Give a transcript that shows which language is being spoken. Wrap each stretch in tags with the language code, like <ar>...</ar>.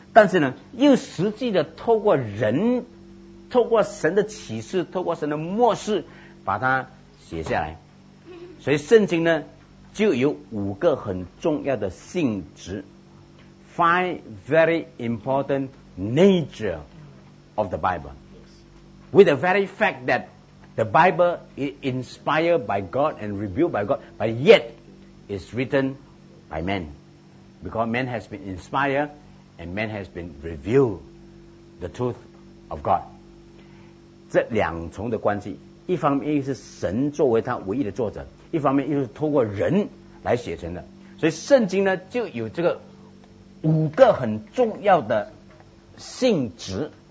<zh>但是呢又实际的透过人，透过神的启示，透过神的默示把它写下来。所以圣经呢就有五个很重要的性质，</zh> <en>Five very important nature of the Bible with the very fact that the Bible is inspired by God and revealed by God, but yet is written by man, because man has been inspired and man has been revealed the truth of God.</en> <zh>这两重的关系，一方面是神作为他唯一的作者，一方面又是透过人来写成的。所以圣经呢就有这个五个很重要的性质。</zh>